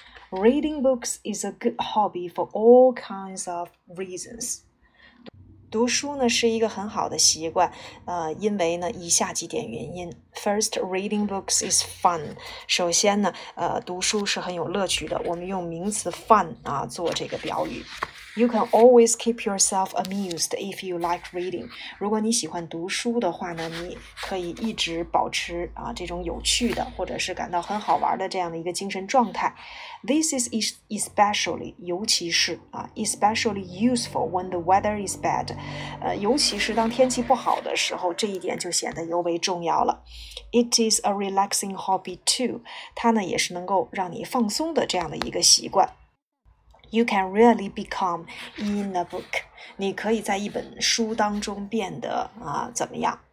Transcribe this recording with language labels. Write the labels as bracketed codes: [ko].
[en] Reading books is a good hobby for all kinds of reasons. [zh] 读书呢是一个很好的习惯，因为呢以下几点原因。 [en] First, reading books is fun. [zh] 首先呢，读书是很有乐趣的。我们用名词 fun 啊做这个表语。 [en] You can always keep yourself amused if you like reading. [zh] 如果你喜欢读书的话呢，你可以一直保持啊这种有趣的或者是感到很好玩的这样的一个精神状态。 [en] This is especially, [zh] 尤其是啊 [en] especially useful when the weather is bad. [zh] 尤其是当天气不好的时候，这一点就显得尤为重要了。 [en] It is a relaxing hobby too. [zh] 它呢也是能够让你放松的这样的一个习惯。 [en] You can really become in a book. [zh] 你可以在一本书当中变得啊怎么样？